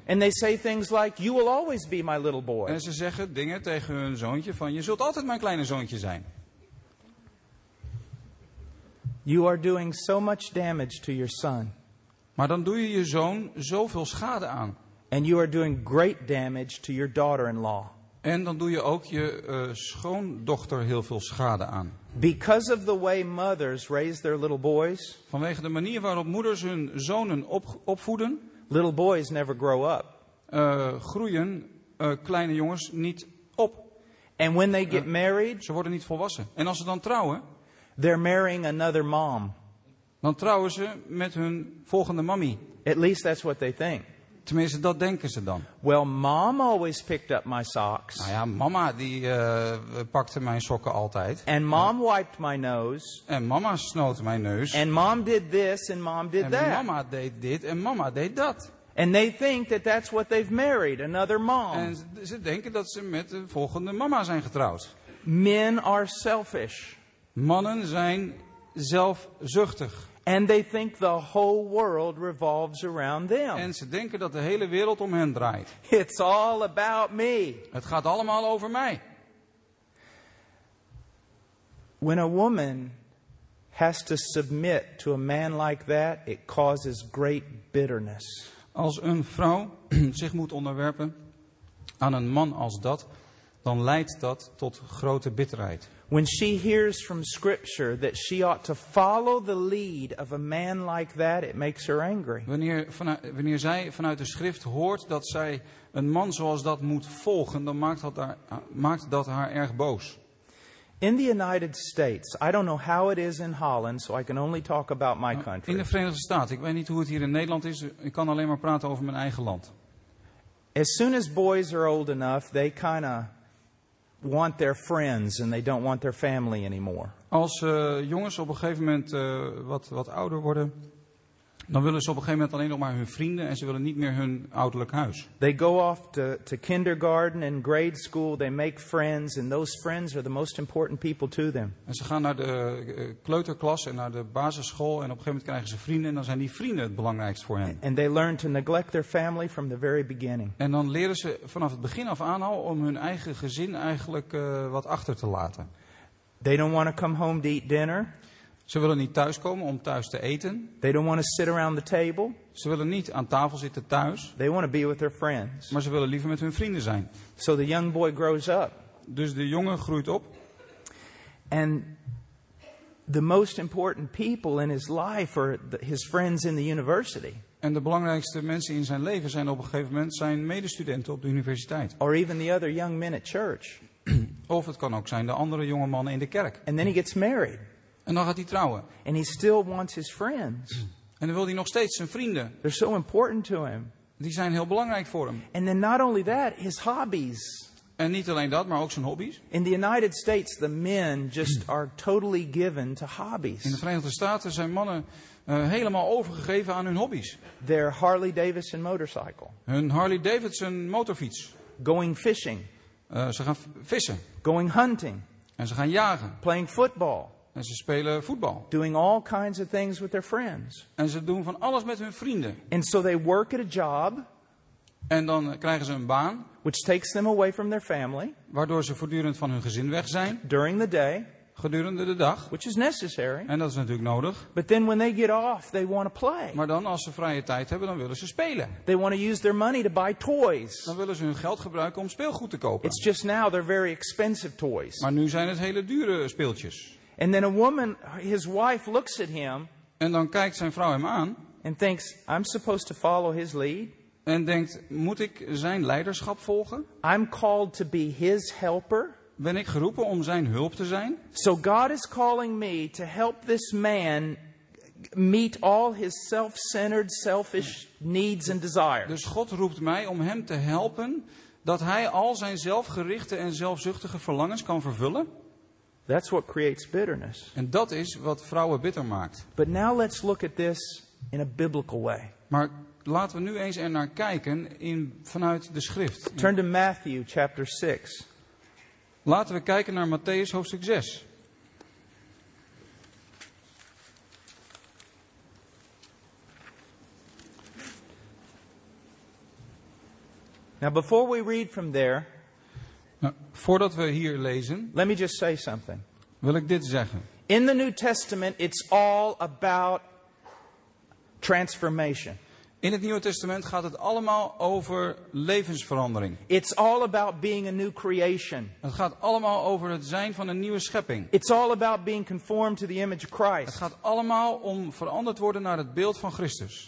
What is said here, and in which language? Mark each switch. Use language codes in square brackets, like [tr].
[en] And they say things like, "You will always be my little boy." [nl] En ze zeggen dingen tegen hun zoontje van, "Je zult altijd mijn kleine zoontje zijn." [en] You are doing so much damage to your son. [nl] Maar dan doe je je zoon zoveel schade aan. [en] And you are doing great damage to your daughter-in-law. [nl] En dan doe je ook je schoondochter heel veel schade aan. [en] Because of the way mothers raise their little boys. [nl] Vanwege de manier waarop moeders hun zonen opvoeden. [en] Little boys never grow up. [nl] Groeien kleine jongens niet op. [en] And when they get married. [nl] Ze worden niet volwassen. En als ze dan trouwen. [en] They're marrying another mom. [nl] Dan trouwen ze met hun volgende mammy. [en] At least that's what they think. [nl] Tenminste, dat denken ze dan. [en] Well, mom always picked up my socks. [nl] Nou ja, mama die pakte mijn sokken altijd. [en] And mom wiped my nose. [nl] En mama snoot mijn neus. [en] And mom did this and mom did [nl] en [en] that. [nl] En mama deed dit en mama deed dat. [en] And they think that that's what they've married, another mom. [nl] En ze denken dat ze met de volgende mama zijn getrouwd. [en] Men are selfish. [nl] Mannen zijn zelfzuchtig. [en] And they think the whole world revolves around them. [nl] En ze denken dat de hele wereld om hen draait. [en] It's all about me. [nl] Het gaat allemaal over mij. [en] When a woman has to submit to a man like that, it causes great bitterness. [nl] Als een vrouw zich moet onderwerpen aan een man als dat, dan leidt dat tot grote bitterheid. [en] When she hears from scripture that she ought to follow the lead of a man like that, it makes her angry. [nl] Wanneer zij vanuit de schrift hoort dat zij een man zoals dat moet volgen, dan maakt dat haar erg boos. [en] In the United States, I don't know how it is in Holland, so I can only talk about my country. [nl] In de Verenigde Staten, ik weet niet hoe het hier in Nederland is, ik kan alleen maar praten over mijn eigen land. [en] As soon as boys are old enough, they kind of want their friends and they don't want their family anymore. [nl] Als jongens op een gegeven moment wat ouder worden, dan willen ze op een gegeven moment alleen nog maar hun vrienden en ze willen niet meer hun ouderlijk huis. [en] They go off to kindergarten and grade school, they make friends and those friends are the most important people to them. [nl] En ze gaan naar de kleuterklas en naar de basisschool en op een gegeven moment krijgen ze vrienden en dan zijn die vrienden het belangrijkst voor hen. [en] And they learn to neglect their family from the very beginning. [nl] En dan leren ze vanaf het begin af aan al om hun eigen gezin eigenlijk wat achter te laten. [en] They don't want to come home to eat dinner. [nl] Ze willen niet thuiskomen om thuis te eten. [en] They don't want to sit around the table. [nl] Ze willen niet aan tafel zitten thuis. [en] They want to be with their friends. [nl] Maar ze willen liever met hun vrienden zijn. [en] So the young boy grows up. [nl] Dus de jongen groeit op. [en] And the most important people in his life are his friends in the university. [nl] En de belangrijkste mensen in zijn leven zijn op een gegeven moment zijn medestudenten op de universiteit. [en] Or even the other young men at church. [nl] Of het kan ook zijn de andere jonge mannen in de kerk. [en] And then he gets married. [nl] En dan gaat hij trouwen. [en] And he still wants his friends. [nl] En dan wil hij nog steeds zijn vrienden. [en] They're so important to him. [nl] Die zijn heel belangrijk voor hem. [en] And then not only that, his hobbies. [nl] En niet alleen dat, maar ook zijn hobby's. [en] In the United States, the men just are totally given to hobbies. [nl] In de Verenigde Staten zijn mannen helemaal overgegeven aan hun hobby's. [en] Their Harley Davidson motorcycle. [nl] Hun Harley Davidson motorfiets. [en] Going fishing. [nl] Ze gaan vissen. [en] Going hunting. [nl] En ze gaan jagen. [en] Playing football. [nl] En ze spelen voetbal. [en] Doing all kinds of things with their friends. [nl] En ze doen van alles met hun vrienden. [en] And so they work at a job. [nl] En dan krijgen ze een baan. [en] Which takes them away from their family. [nl] Waardoor ze voortdurend van hun gezin weg zijn. [en] During the day. [nl] Gedurende de dag. [en] Which is necessary. [nl] En dat is natuurlijk nodig. [en] But then when they get off, they want to play. [nl] Maar dan als ze vrije tijd hebben, dan willen ze spelen. [en] They want to use their money to buy toys. [nl] Dan willen ze hun geld gebruiken om speelgoed te kopen. [en] It's just now they're very expensive toys. [nl] Maar nu zijn het hele dure speeltjes. [en] And then a woman, his wife looks at him. [nl] En dan kijkt zijn vrouw hem aan. [en] And thinks, I'm supposed to follow his lead. [nl] En denkt, moet ik zijn leiderschap volgen? [en] I'm called to be his helper. [nl] Ben ik geroepen om zijn hulp te zijn? [en] So God is calling me to help this man meet all his self-centered, selfish needs and desires. [nl] Dus God roept mij om hem te helpen dat hij al zijn zelfgerichte en zelfzuchtige verlangens kan vervullen. [en] That's what creates bitterness. [nl] En dat is wat vrouwen bitter maakt. [en] But now let's look at this in a biblical way. [nl] Maar laten we nu eens er naar kijken in, vanuit de schrift. [en] Turn to Matthew chapter 6. [nl] Laten we kijken naar Matteüs hoofdstuk 6. [en] Now before we read from there, [nl] nou, voordat we hier lezen, [en] let me just say something. [nl] Wil ik dit zeggen. [en] In the New Testament it's all about transformation. [nl] In het Nieuwe Testament gaat het allemaal over levensverandering. [en] It's all about being a new creation. [nl] Het gaat allemaal over het zijn van een nieuwe schepping. [en] It's all about being conformed to the image of Christ. [nl] Het gaat allemaal om veranderd worden naar het beeld van Christus.